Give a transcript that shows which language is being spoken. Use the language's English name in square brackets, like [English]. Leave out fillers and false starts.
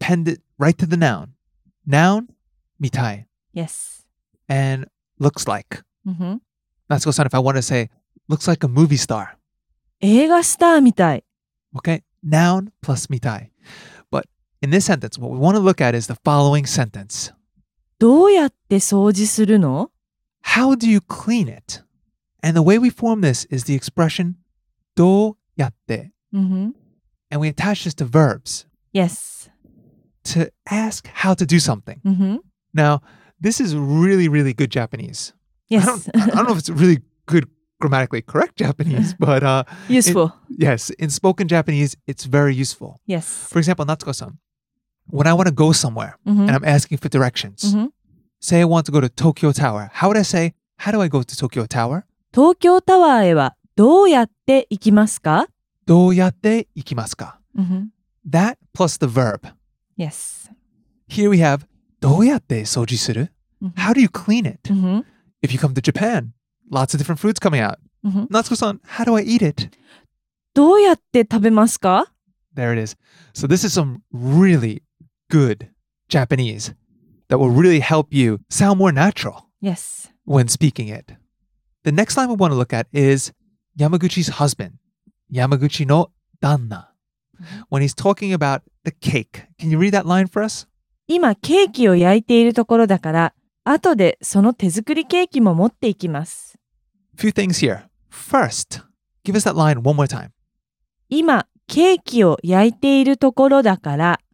[English] Append it right to the noun. Noun, mitai. Yes. And looks like. Natsuko-san, if I want to say, looks like a movie star. [Japanese] 映画スターみたい。 [English] Okay, noun plus みたい。 But in this sentence, what we want to look at is the following sentence. [Japanese] どうやって掃除するの? [English] How do you clean it? And the way we form this is the expression どうやって。 Mm-hmm. And we attach this to verbs. Yes. To ask how to do something. Mm-hmm. Now, this is really, really good Japanese. Yes. I don't know if it's really good grammatically correct Japanese, but... useful. Yes. In spoken Japanese, it's very useful. Yes. For example, Natsuko-san, when I want to go somewhere mm-hmm. and I'm asking for directions, mm-hmm. say I want to go to Tokyo Tower, how would I say, how do I go to Tokyo Tower? [Japanese] Tokyo Tower へはどうやって行きますか? どうやって行きますか? [English] Mm-hmm. That plus the verb. Yes. Here we have, [Japanese] どうやって掃除する? [English] Mm-hmm. How do you clean it? Mm-hmm. If you come to Japan, lots of different foods coming out. Mm-hmm. Natsuko-san, how do I eat it? [Japanese] どうやって食べますか? [English] There it is. So this is some really good Japanese that will really help you sound more natural. Yes. When speaking it. The next line we want to look at is Yamaguchi's husband. Yamaguchi no danna. When he's talking about the cake. Can you read that line for us? [Japanese] 今ケーキを焼いているところだから、後でその手作りケーキも持っていきます。 [English] Few things here. First, give us that line one more time. [Japanese] 今ケーキを焼いているところだから。